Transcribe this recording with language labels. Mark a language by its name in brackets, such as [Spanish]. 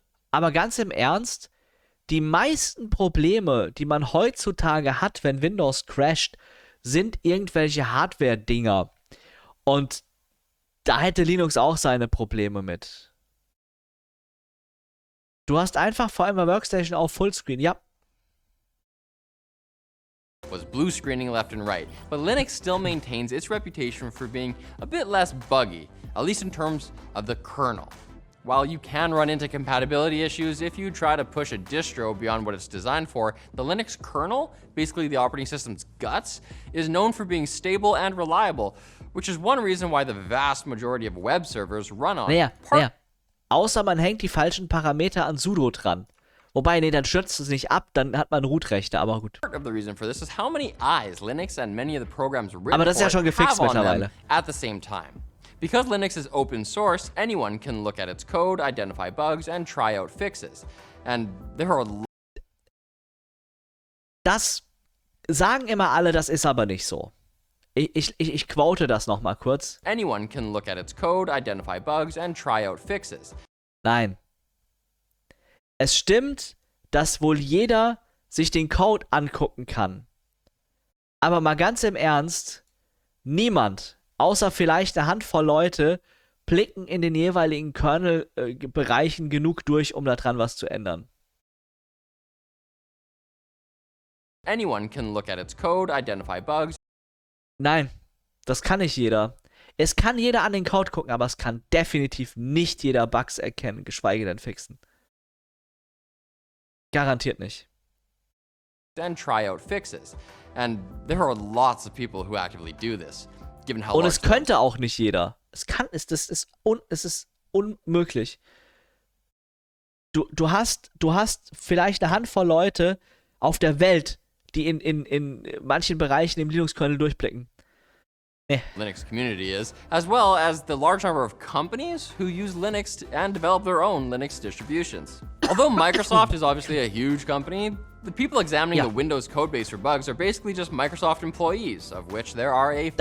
[German] Aber ganz im Ernst, die meisten Probleme, die man heutzutage hat, wenn Windows crasht, sind irgendwelche Hardware-Dinger. Und da hätte Linux auch seine Probleme mit. Du hast einfach vor allem bei Workstation auf Fullscreen, ja. [English] Was blue screening left and right, but Linux still maintains its reputation for being a bit less buggy, at least in terms of the kernel. While you can run into compatibility issues if you try to push a distro beyond what it's designed for, the Linux kernel, basically the operating system's guts, is known for being stable and reliable, which is one reason why the vast majority of web servers run on. [German] Naja. Außer man hängt die falschen Parameter an sudo dran. Wobei, nee, dann schützt es nicht ab, dann hat man Rootrechte, aber gut. [English] Part of the reason for this is how many eyes Linux and many of the programs written [German] aber das ist ja schon gefixt mittlerweile. [English] At the same time. Because Linux is open source, anyone can look at its code, identify bugs and try out fixes. And there are [German] Das sagen immer alle, das ist aber nicht so. Ich quote das nochmal kurz. [English] Anyone can look at its code, identify bugs and try out fixes. [German] Nein. Es stimmt, dass wohl jeder sich den Code angucken kann. Aber mal ganz im Ernst, niemand, außer vielleicht eine Handvoll Leute, blicken in den jeweiligen Kernel-Bereichen genug durch, um daran was zu ändern. [English] Anyone can look at its code, identify bugs. [German] Nein, das kann nicht jeder. Es kann jeder an den Code gucken, aber es kann definitiv nicht jeder Bugs erkennen, geschweige denn fixen. Garantiert nicht. [English] Then try out fixes. And there are lots of people who actively do this. Given how [German] Und es könnte auch nicht jeder. Es ist unmöglich. Du hast vielleicht eine Handvoll Leute auf der Welt, die in manchen Bereichen im Linux-Kernel durchblicken. [English] Linux community is, as well as the large number of companies who use Linux and develop their own Linux distributions. Although Microsoft is obviously a huge company, the people examining the Windows codebase for bugs are basically just Microsoft employees, of which there are a